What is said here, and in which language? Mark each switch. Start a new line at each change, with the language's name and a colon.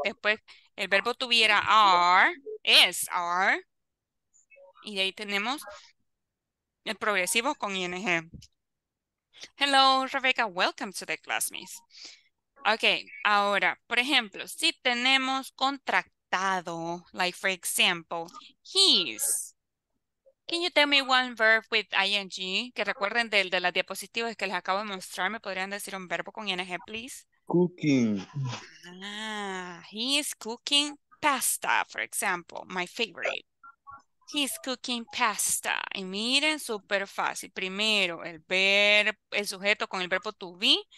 Spanish: Después, el verbo tuviera are. Y de ahí tenemos el progresivo con ING. Hello, Rebecca.
English: Welcome to the class, Miss. Okay,
Spanish: ahora, por ejemplo, si tenemos contractado,
English: like for example, he's. Can you tell me one verb with ing?
Spanish: Que recuerden del de las diapositivas que les acabo de mostrar, me podrían decir un verbo con ing, please?
English: Cooking. Ah, he's cooking pasta, for example, my favorite. He's cooking pasta.
Spanish: Y miren, súper fácil. Primero, el verbo, el sujeto con el verbo to be.